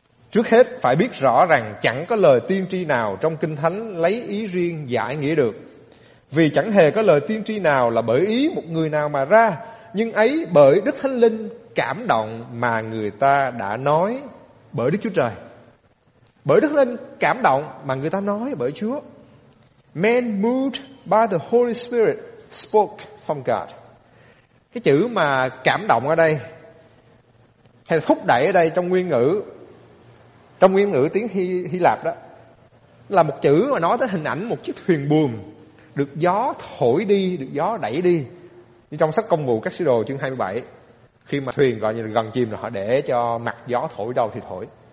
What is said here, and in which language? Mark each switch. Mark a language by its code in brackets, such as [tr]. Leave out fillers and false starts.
[vi] Trước hết phải biết rõ rằng chẳng có lời tiên tri nào trong Kinh Thánh lấy ý riêng giải nghĩa được, vì chẳng hề có lời tiên tri nào là bởi ý một người nào mà ra, nhưng ấy bởi Đức Thánh Linh cảm động mà người ta đã nói bởi Đức Chúa Trời. Bởi Đức Linh cảm động mà người ta nói bởi Chúa. [en] Men moved by the Holy Spirit spoke from God. [vi] Cái chữ mà cảm động ở đây hay là thúc đẩy ở đây trong nguyên ngữ, trong nguyên ngữ tiếng Hy Lạp đó, là một chữ mà nói tới hình ảnh một chiếc thuyền buồm được gió thổi đi, được gió đẩy đi. Như trong sách Công vụ các sứ đồ chương 27, khi mà thuyền gọi như là gần chìm rồi, họ để cho mặt gió thổi đâu thì thổi.